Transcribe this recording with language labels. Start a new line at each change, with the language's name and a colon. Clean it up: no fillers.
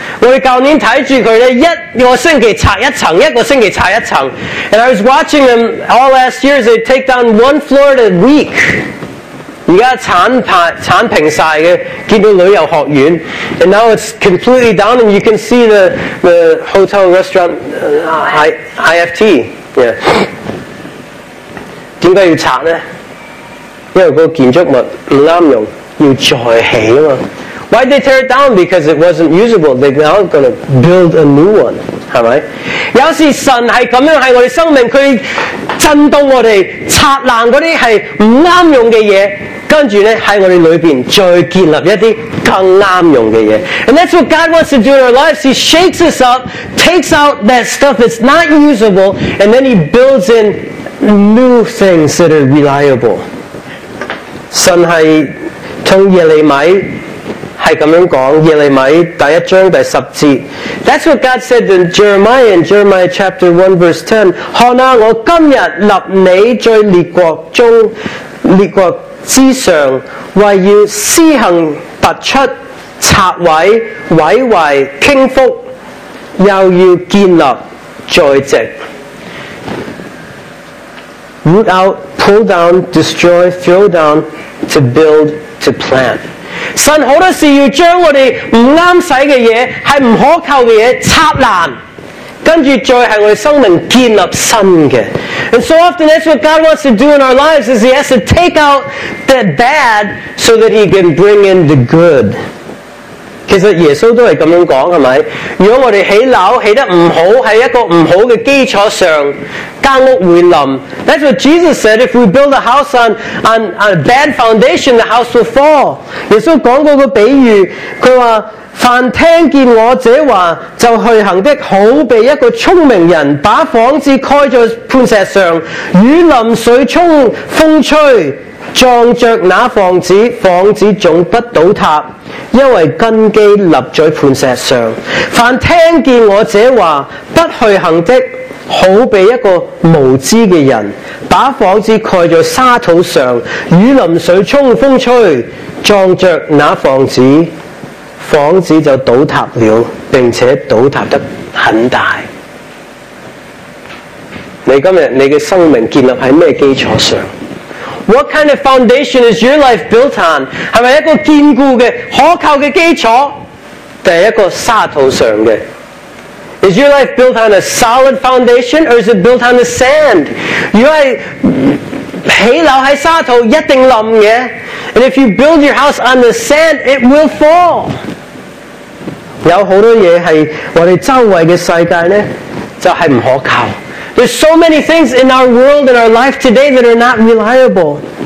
Cantonese: 我去年看住佢咧，一個星期拆一層，一個星期拆一層。
English: And I was watching them all last year. They take down one floor a week.
Cantonese: 而家剷平曬嘅，見到旅遊學院
English: ，and now it's completely down. And you can see the hotel restaurant IFT. Yeah.
Cantonese: 为什么要拆呢？因为那个建筑物不啱用，要再起嘛。
English: Why did they tear it down? Because it wasn't usable. They're now going to build a new one.
Cantonese: 是不是？有时神是这样在我们生命，祂震动我们，拆烂那些是不啱用的东西，接着在我们里面再建立一些更啱用的东
English: 西。And that's what God wants to do in our lives. He shakes us up, takes out that stuff that's not usable, and then He builds in new things that are reliable.
Cantonese: 神是从耶利米是这样说，耶利米第一章第十节。
English: That's what God said in Jeremiah, in Jeremiah chapter 1 verse 10.
Cantonese: 看啊，我今日立你在列国中，列国之上，为要施行拔出、拆毁、毁坏、倾覆，又要建立、栽植。
English: Root out, pull down, destroy, throw down, to build, to plant.
Cantonese: 神好多时要将我们不啱使的嘢，系唔可靠的嘢拆烂，跟住再系我哋生命建立新嘅。
English: And so often that's what God wants to do in our lives, is He has to take out the bad so that He can bring in the good.
Cantonese: 其实耶稣都是这样讲，是不是？如果我们起楼起得不好，在一个不好的基础上，间屋会倒。
English: That's what Jesus said, if we build a house on a bad foundation, the house will fall.
Cantonese: 耶稣讲过个比喻，他说，凡听见我这话就去行的，好比一个聪明人把房子盖在磐石上，雨淋水冲风吹撞着那房子，房子总不倒塌，因为根基立在磐石上。凡听见我这话不去行的，好比一个无知的人把房子盖在沙土上，雨淋水冲风吹撞着那房子，房子就倒塌了，并且倒塌得很大。你今天你的生命建立在什么基础上？
English: What kind of foundation is your life built on?
Cantonese: 是不是一个坚固的、可靠的基础，还是一个沙土上的？
English: Is your life built on a solid foundation, or is it built on the sand?
Cantonese: 如果是起楼在沙土，一定倒的。
English: And if you build your house on the sand, it will fall.
Cantonese: 有很多东西是我们周围的世界呢，就是不可靠。
English: There's so many things in our world, in our life today, that are not reliable.